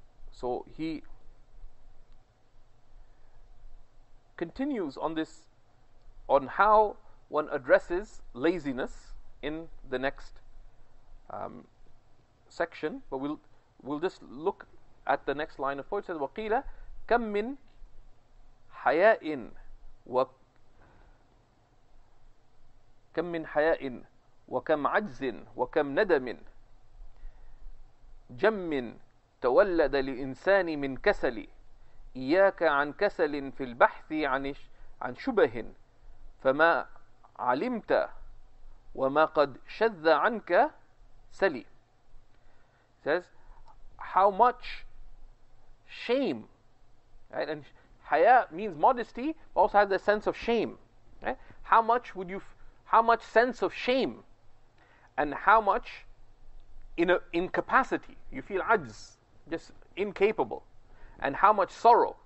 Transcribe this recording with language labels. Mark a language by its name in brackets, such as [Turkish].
[English] So he continues on this, on how one addresses laziness in the next section. But we'll just look at the next line of poetry. It says, [Arabic] وَقِيلَ كَمْ مِنْ حَيَاءٍ وَكَمْ مِنْ حَيَاءٍ وَكَمْ عَجْزٍ وَكَمْ نَدَمٍ جَمٍ تولد للإنسان من كسل إياك عن كسل في البحث عن شبه فما علمت وما قد شذ عنك سلي. [English] Says, how much shame, right? And haya means modesty, but also has a sense of shame, right? How much sense of shame, and how much incapacity, you feel ajz, just incapable, and how much sorrow.